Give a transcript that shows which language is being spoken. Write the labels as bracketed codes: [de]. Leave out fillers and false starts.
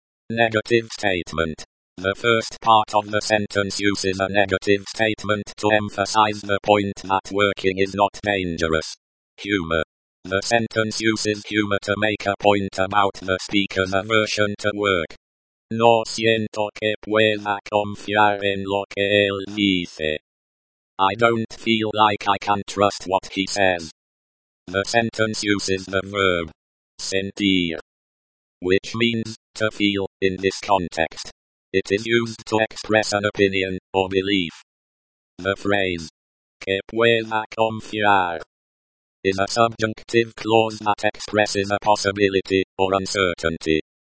[en] Negative statement. The first part of the sentence uses a negative statement to emphasize the point that working is not dangerous. Humor. The sentence uses humor to make a point about the speaker's aversion to work. [es] No siento que pueda confiar en lo que él dice. [en] I don't feel like I can trust what he says. The sentence uses the verb sentir, which means to feel in this context. It is used to express an opinion or belief. The phrase [es] que pueda confiar [en] is a subjunctive clause that expresses a possibility or uncertainty.